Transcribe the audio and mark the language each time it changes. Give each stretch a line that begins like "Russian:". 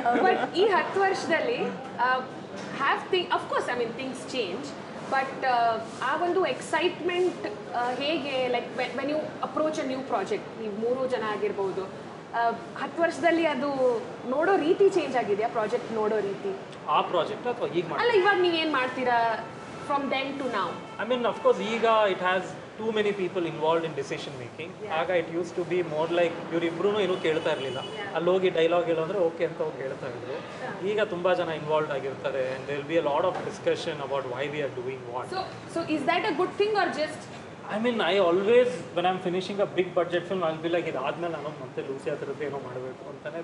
Kannada: But ಈ 10 ವರ್ಷದಲ್ಲಿ have thing,
English: of course I mean things change,
Kannada: but ಆ ಒಂದು ಎಕ್ಸೈಟ್ಮೆಂಟ್ ಹೇಗೆ,
English: like when you approach a new project,
Kannada: ನೀವು 3 ಜನ ಆಗಿರ್ಬೋದು, 10 ವರ್ಷದಲ್ಲಿ ಅದು ನೋಡೋ ರೀತಿ ಚೇಂಜ್ ಆಗಿದೆಯಾ, ಪ್ರಾಜೆಕ್ಟ್ ನೋಡೋ ರೀತಿ? ಆ ಪ್ರಾಜೆಕ್ಟ್ ಅಥವಾ ಈಗ ಅಲ್ಲ, ಇವಾಗ ನೀವು ಏನು ಮಾಡ್ತೀರಾ
English: From then to now? I mean, of course, Iga, it has too many people involved in decision-making.
Kannada: Aga,
English: it used to be more like,
Kannada: ಇವ್ರು ಇಬ್ಬರೂ ಏನೂ ಕೇಳ್ತಾ ಇರಲಿಲ್ಲ, ಅಲ್ಲೋಗಿ ಡೈಲಾಗ್ ಹೇಳಂದ್ರೆ ಓಕೆ ಅಂತ ಅವ್ರು ಹೇಳ್ತಾ ಇದ್ರು. ಈಗ ತುಂಬ ಜನ ಇನ್ವಾಲ್ವ್ ಆಗಿರ್ತಾರೆ,
English: And there will be a lot of discussion about why we are doing what. So is that a good thing or just? I mean, I always when I'm finishing a big budget film, I will like
Kannada: ಇದಾದ್ಮೇಲೆ ನಾನು ಮತ್ತೆ Lucy ಹತ್ರದ್ದು ಏನೋ ಮಾಡಬೇಕು ಅಂತಲೇ.